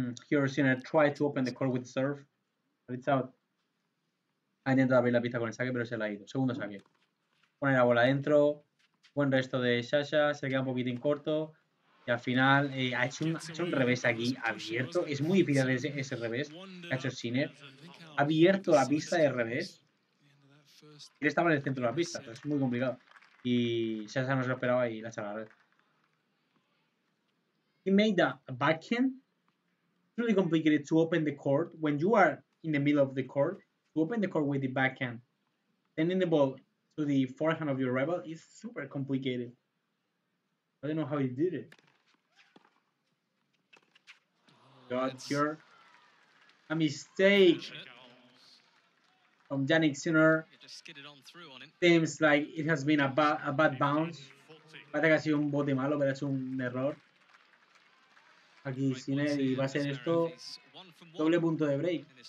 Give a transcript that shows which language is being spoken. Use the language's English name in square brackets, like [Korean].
[English] Here Sinner tried to open the court with serve, but it's out. [Spanish] Ha intentado abrir la pista con el saque, pero se la ha ido. Segundo saque. Pone la bola dentro. Buen resto de Sasha. Se queda un poquitín corto. Y al final ha hecho un revés aquí abierto. Es muy difícil ese revés que ha hecho Sinner. Ha abierto la pista de revés. Él estaba en el centro de la pista, pero es muy complicado. Y Sasha no se lo esperaba y la ha echado a la red. [English] He made a backhand. It's really complicated to open the court when you are in the middle of the court. To open the court with the backhand, sending the ball to the forehand of your rival is super complicated. I don't know how he did it. Got here. A mistake from Jannik Sinner. Seems like it has been a bad bounce. [Spanish] Parece que ha sido un bote malo, pero ha hecho un error. Aquí Sinner y va a ser esto doble punto de break.